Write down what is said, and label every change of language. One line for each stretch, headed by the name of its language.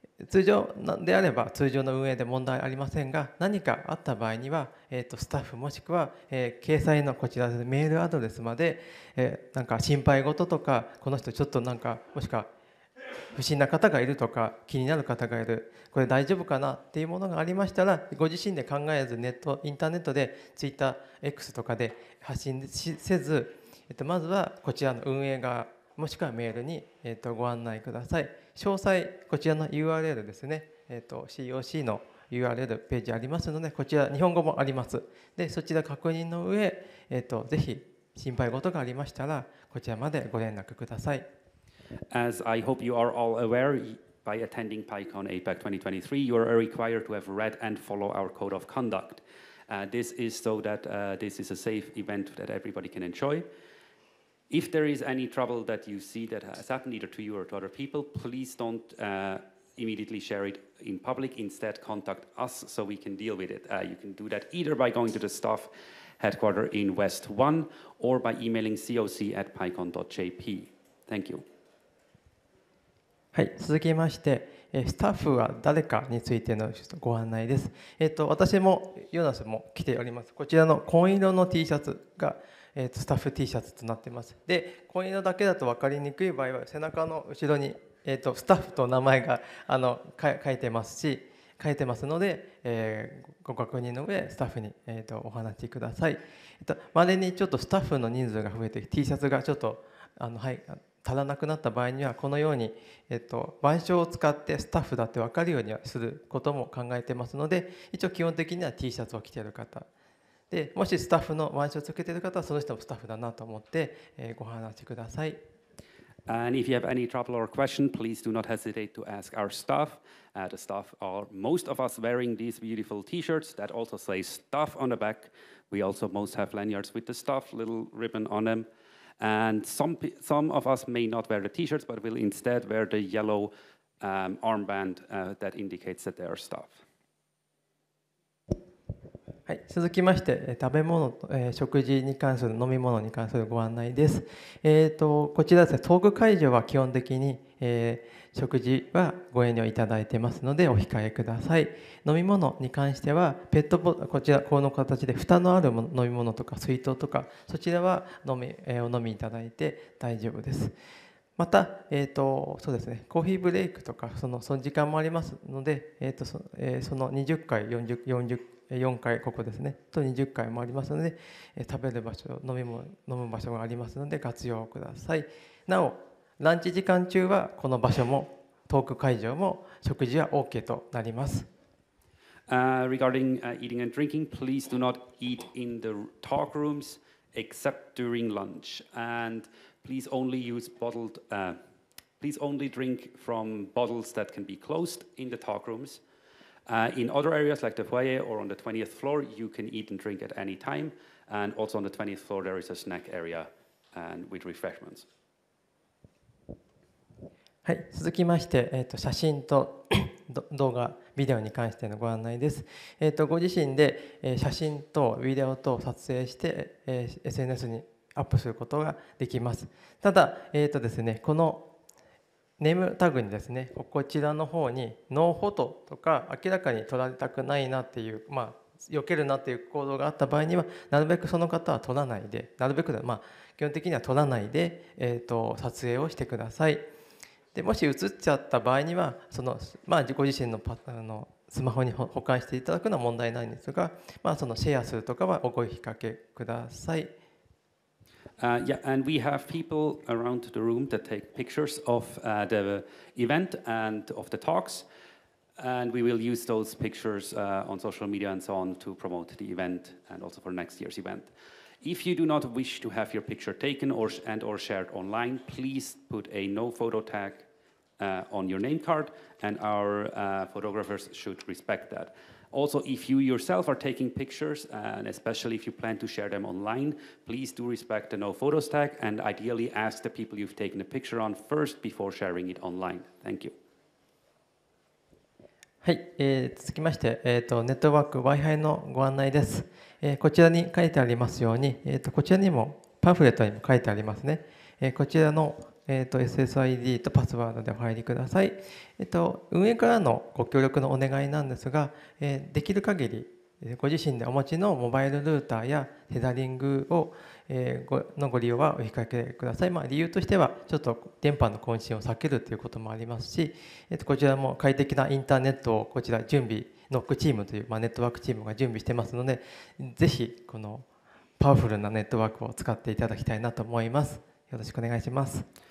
Japanese: 通常であれば通常の運営で問題ありませんが、何かあった場合にはスタッフもしくは掲載のこちらでメールアドレスまで、なんか心配事とか、この人ちょっとなんかもしくは不審な方がいるとか気になる方がいる、これ大丈夫かなっていうものがありましたら、ご自身で考えずネットインターネットでツイッター X とかで発信せず、まずはこちらの運営側もしくはメールにご案内ください。詳細こちらの URL ですね、COC の URL ページありますので、こちら日本語もあります。でそちら確認の上、ぜひ心配事がありましたらこちらまでご連絡ください。
English: As I hope you are all aware, by attending PyConAPAC2023, you are required to have read and follow our code of conduct. This is so that this is a safe event that everybody can enjoy. If there is any trouble that you see that has happened either to you or to other people, please don't immediately share it in public. Instead, contact us so we can deal with it. You can do that either by going to the staff headquarters in West 1 or by emailing coc@pycon.jp. Thank you.
Japanese: はい、続きまして、スタッフは誰かについてのご案内です。私もヨナスも来ております。こちらの紺色の T シャツがスタッフ T シャツとなっています。で、紺色だけだと分かりにくい場合は背中の後ろに、スタッフと名前が書いてますし、書いてますので、ご確認の上スタッフに、お話しください。まれにちょっとスタッフの人数が増えて T シャツがちょっと足らなくなった場合には、このように腕章を使ってスタッフだって分かるようにすることも考えてますので、一応基本的には T シャツを着ている方で、もしスタッフの腕章をつけている方はその人もスタッフだなと思って、ご話しください。
English: And if you have any trouble or question, please do not hesitate to ask our staff. The staff are most of us wearing these beautiful t-shirts that also say staff on the back. We also most have lanyards with the staff little ribbon on them. And some of us may not wear the t-shirts but will instead wear the yellow armband that indicates that they are staff.
Japanese: はい、続きまして、食べ物、食事に関する飲み物に関するご案内です。こちらですね、トーク会場は基本的に、食事はご遠慮いただいてますのでお控えください。飲み物に関してはペットボトル、こちらこの形で蓋のあるもの飲み物とか水筒とか、そちらは飲み、お飲みいただいて大丈夫です。また、そうですね、コーヒーブレイクとかその時間もありますので、その20回、4回ここですねと20回もありますので、食べる場所、飲む場所がありますので活用ください。なおランチ時間中はこの場所もトーク会場も食事は OK となります。
English: Regarding eating and drinking, please do not eat in the talk rooms. except during lunch. And please only use bottled, please only drink from bottles that can be closed in the talk rooms. In other areas like the foyer or on the 20th floor, you can eat and drink at any time. And also on the 20th floor, there is a snack area and with refreshments.
Japanese: はい、続きまして、写真と動画、ビデオに関してのご案内です。ご自身で、写真とビデオと撮影して、SNS にアップすることができます。ただ、ですね、このネームタグにですね、こちらの方にノーフォトとか明らかに撮られたくないなっていう、まあ避けるなっていう行動があった場合には、なるべくその方は撮らないで、なるべく、まあ、基本的には撮らないで、撮影をしてください。でもし映っちゃった場合には、その、まあ、ご自身 のスマホに保管していただくのは問題ないんですが、まあ、そのシェアするとかはお声掛けください。
English: Yeah, and we have people around the room that take pictures of the event and of the talks, and we will use those pictures on social media and so on to promote the event and also for next year's event. If you do not wish to have your picture taken or shared online, please put a no photo tag on your name card, and our photographers should respect that. Also, if you yourself are taking pictures, and especially if you plan to share them online, please do respect the no photos tag, and ideally ask the people you've taken a picture on first before sharing it online. Thank you.
Japanese: はい、続きまして、ネットワーク Wi-Fi のご案内です、こちらに書いてありますように、こちらにもパンフレットにも書いてありますね、こちらの、SSID とパスワードでお入りください、運営からのご協力のお願いなんですが、できる限りご自身でお持ちのモバイルルーターやテザリングを、のご利用はお控えください、まあ、理由としてはちょっと電波の混信を避けるということもありますし、こちらも快適なインターネットをこちら準備ノックチームという、まあ、ネットワークチームが準備してますので、ぜひこのパワフルなネットワークを使っていただきたいなと思います。よろしくお願いします。